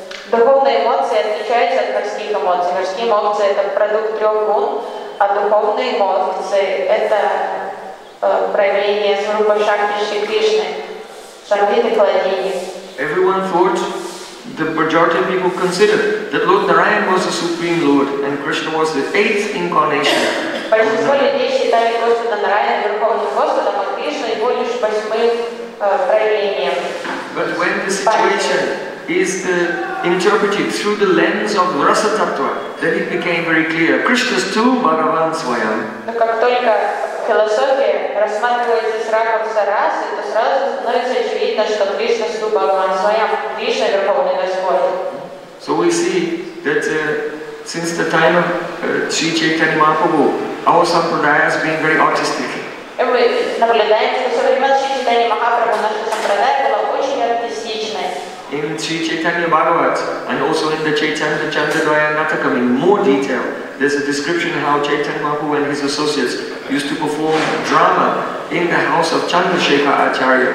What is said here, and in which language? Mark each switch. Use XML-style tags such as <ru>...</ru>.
<ru>Духовные эмоции отличаются от мирских эмоций. Мирские эмоции – это продукт трех гун, а духовные эмоции – это проявление Сварупа Шакти Шри Кришны, Самвита Кладини.</ru> <en>Everyone thought, the majority of people considered, that Lord Narayan was the Supreme Lord and Krishna was the eighth incarnation.</en> <ru>Большинство людей считали Господа Нараяна Верховным Господом, а Кришна его лишь восьмым проявлением.</ru> <en>But when the situation is interpreted through the lens of rasa tattva, then it became very clear.</en> <sa>Krishna's too Bhagavan Swayam.</sa> <ru>Но как только философия рассматривается с ракурса расы, то сразу становится очевидно, что</ru> <sa>Кришна ту Бхагаван Свайам,</sa> <ru>Кришна Верховный Господь.</ru> <en>So we see that since the time of Sri Chaitanya Mahaprabhu, our sampradaya has been very artistic.</en> <ru>И мы наблюдаем, что со времен Sri Chaitanya Mahaprabhu наша сампрадая была очень артистичной.</ru> <en>In Sri Chaitanya Bhagavat and also in the Chaitanya Chandradaya Natakam in more detail, there's a description of how Chaitanya Mahaprabhu and his associates used to perform drama in the house of Chandrasekhar Acharya.</en>